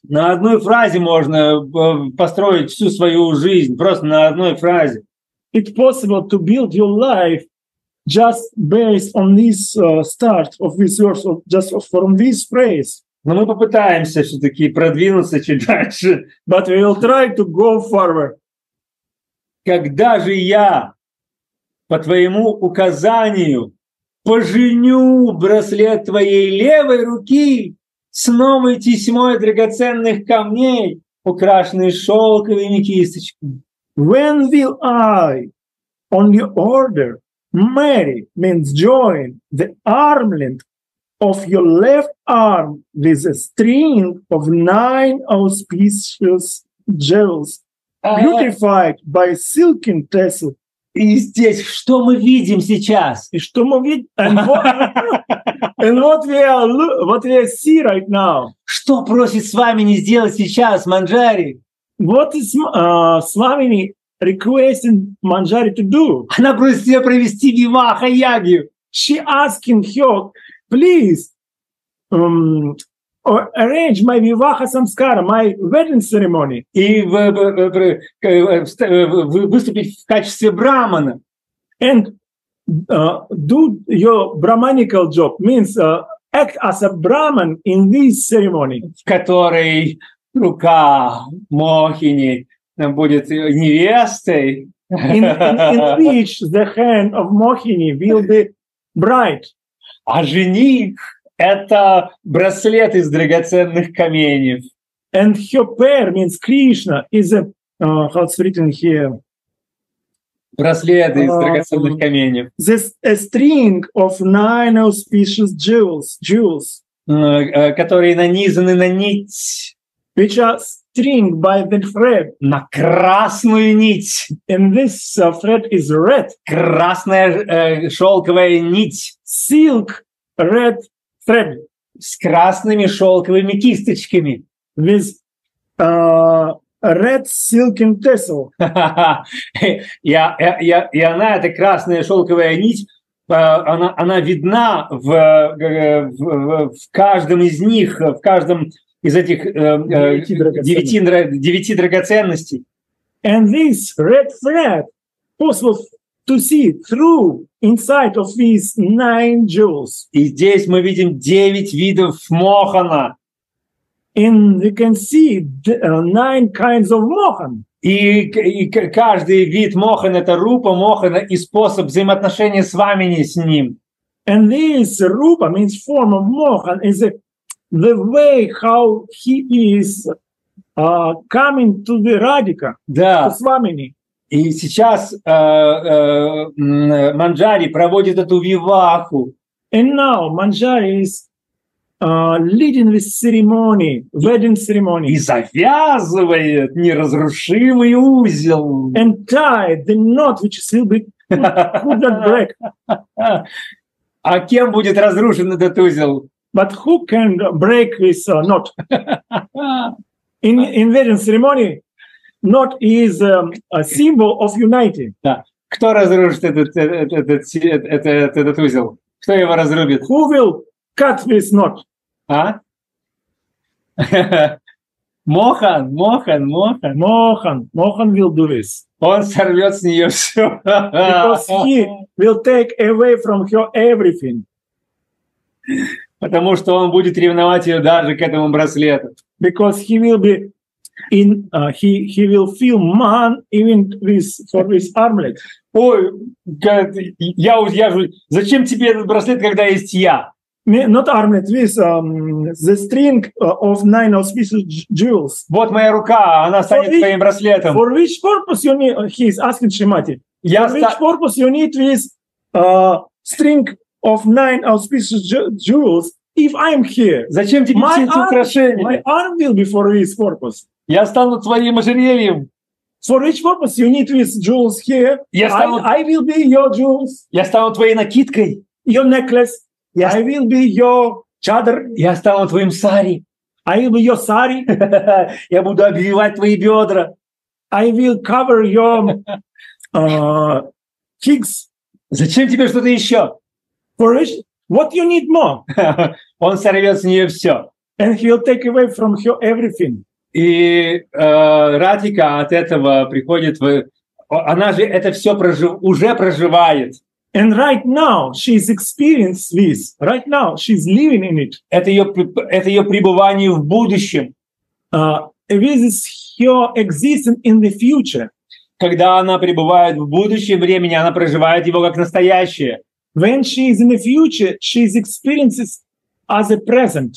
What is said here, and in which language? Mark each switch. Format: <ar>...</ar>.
<ru>На одной фразе можно построить всю свою жизнь, просто на одной фразе.</ru> <en>It's possible to build your life just based on this start of this verse, or just from this phrase.</en> <ru>Но мы попытаемся все-таки продвинуться чуть дальше.</ru> <en>But we will try to go forward.</en> <ru>Когда же я по твоему указанию поженю браслет твоей левой руки с новой тесьмой драгоценных камней, украшенной шелковыми кисточками?</ru> <en>When will I, on your order, marry, means join, the armlet of your left arm with a string of 9 auspicious jewels? Beautified by silken tassel.</en> <ru>И здесь, что мы видим сейчас? И что мы видим?</ru> <en>And what we see right now?</en> <ru>Что просит Свамини сделать сейчас, Манджари?</ru> <en>What is Свамини requesting Манджари to do?</en> <ru>Она просит ее провести виваха яги.</ru> <en>She asking her, please. Or arrange my vivaha samskara, my wedding ceremony.</en> <ru>И выступить в качестве брахмана.</ru> <en>And do your brahmanical job, means act as a brahman in this ceremony.</en> <ru>В которой рука Мохини будет невестой.</ru> <en>In which the hand of Мохини will be bride.</en> <ru>А жених — это браслет из драгоценных каменьев.</ru> <en>And her pair means Krishna is a how it's written here.</en> <ru>Браслет из драгоценных каменьев.</ru> <en>This a string of 9 auspicious jewels,</en> <ru>которые нанизаны на нить.</ru> <en>Which are string by the thread.</en> <ru>На красную нить.</ru> <en>And this thread is red.</en> <ru>Красная шелковая нить.</ru> <en>Silk red. Thread.</en> <ru>С красными шелковыми кисточками.</ru> <en>With red silken tassel.</en> <ru>И она, эта красная шелковая нить, она видна в каждом из них, в каждом из этих девяти драгоценностей.</ru> <en>And this red thread possible to see through inside of these 9 jewels.</en> <ru>И здесь мы видим 9 видов мохана.</ru> <en>And we can see 9 kinds of mohan.</en> <ru>И каждый вид мохан — это рупа мохана и способ взаимоотношения с вами, не с ним.</ru> <en>And this rupa means form of mohan is the way how he is coming to the radhika.</en> <ru>Да.</ru> <en>To Swamini.</en> <ru>И сейчас Манджари проводит эту виваху.</ru> <en>And now Manjari is leading this ceremony, wedding ceremony.</en> <ru>И завязывает неразрушимый узел.</ru> <en>And tied the knot, which still be could not break.</en> <ru>А кем будет разрушен этот узел?</ru> <en>But who can break this knot? In wedding ceremony, knot is a symbol of unity.</en> <ru>Да. Кто разрушит этот узел? Кто его разрубит?</ru> <en>Who will cut this knot? А?</en> <ru>Мохан.</ru> <en>Мохан will do this.</en> <ru>Он сорвет с нее все.</ru> <en>Because he will take away from her everything.</en> <ru>Потому что он будет ревновать ее даже к этому браслету.</ru> <en>Because he will be in, he will feel man even with for this armlet.</en> <ru>Ой, я же, зачем тебе этот браслет, когда есть я?</ru> <en>Not armlet, this the string of nine auspicious jewels.</en> <ru>Вот моя рука, она станет твоим браслетом.</ru> <en>For which purpose you need? He is asking Shrimati. Which purpose you need this string of nine auspicious jewels? If I'm here,</en> <ru>зачем тебе все эти украшения?</ru> <en>My arm will be for this purpose.</en> <ru>Я стану твоим ожерельем.</ru> <en>For which purpose you need these jewels here? I will be your jewels.</en> <ru>Я стану твоей накидкой.</ru> <en>Your necklace. I will be your chadar.</en> <ru>Я стану твоим сари.</ru> <en>I will be your sari.</en> <ru>Я буду обвивать твои бедра.</ru> <en>I will cover your kicks.</en> <ru>Зачем тебе что-то еще?</ru> <en>For which? What you need more?</en> <ru>Он сорвет с нее все.</ru> <en>And he'll take away from her everything.</en> <ru>И Радхика от этого приходит, она же это все уже проживает.</ru> <en>And right now she's experienced this. Right now she's living in it.</en> <ru>Это ее пребывание в будущем.</ru> <en>This is her existence in the future.</en> <ru>Когда она пребывает в будущем времени, она проживает его как настоящее.</ru> <en>When she is in the future, she is experiences as a present.</en>